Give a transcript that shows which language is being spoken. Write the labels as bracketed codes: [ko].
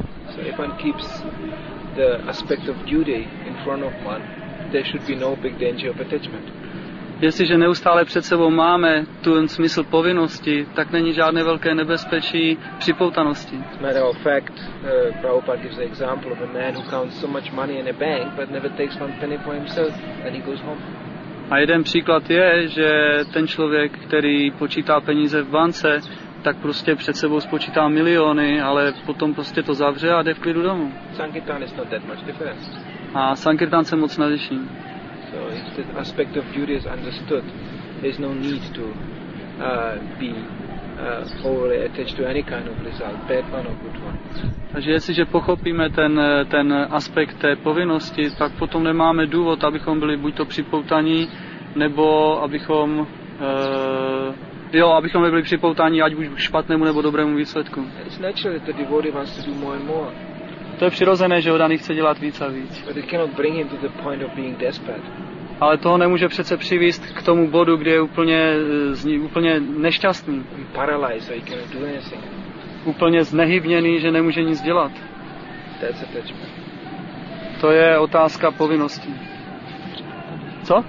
[en] So if one keeps the aspect of duty in front of one, there should be no big danger of attachment. [cs] Jestliže neustále před sebou máme tu smysl povinnosti, tak není žádné velké nebezpečí připoutanosti. [en] Matter of fact, Prabhupada gives the example of a man who counts so much money in a bank, but never takes one penny for himself, then he goes home. [cs] A jeden příklad je, že ten člověk, který počítá peníze v bance, tak prostě před sebou spočítá miliony, ale potom prostě to zavře a jde v klidu domů. [en] Sankirtan is not that much different. [cs] A sankirtan se moc neliší. [en] So if the aspect of duty is understood, there's no need to be overly attached to any kind of result, bad one or good one. [cs] Takže jestliže pochopíme ten aspekt té povinnosti, tak potom nemáme důvod, abychom byli buď to připoutaní, nebo abychom byli připoutaní ať buď k špatnému nebo dobrému výsledku. [en] It's natural that the devotee wants to do more and more. [cs] To je přirozené, že odaný chce dělat víc a víc. [en] But it cannot bring him to the point of being desperate. [cs] Ale toho nemůže přece přivést k tomu bodu, kde je úplně nešťastný. [en] Paralyzed, so he cannot do anything. [cs] Úplně znehybněný, že nemůže nic dělat. [en] That's attachment. [cs] To je otázka povinnosti. Co?